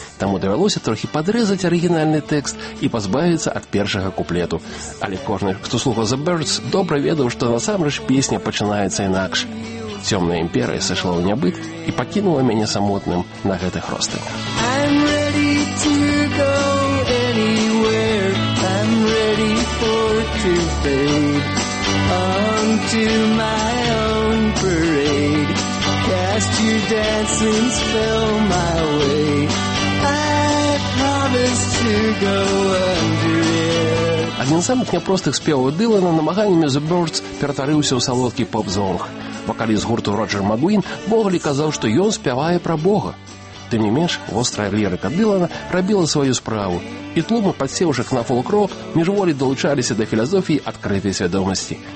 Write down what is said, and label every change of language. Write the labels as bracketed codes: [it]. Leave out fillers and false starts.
[be] Таму давялося трохі падрэзаць арыгінальны тэкст і пазбавіцца ад першага куплету. Але кожны, хто слухаў The Birds, добра ведаў, што насамрэч песня пачынаецца інакш. Цёмная імперыя сышла ў нябыт і пакінула мяне самотным на гэтых ростах. [en] I'm ready to go anywhere. I'm ready for to fade on to my own parade. Cast your dancing spell my way. I promise to go under it. [be] Адзін з самых няпростых спеў Дылана намаганнямі The Birds ператварыўся ў салодкі поп-зонг. Вакаліст гурту Роджер Магуін Боглі казаў, што ён спявае пра Бога. Тым не менш, вострая лірыка Дылана рабіла сваю справу, і тлумы падсеўшых на фолк-рок міжволі далучаліся да філасофіі адкрытай свядомасці.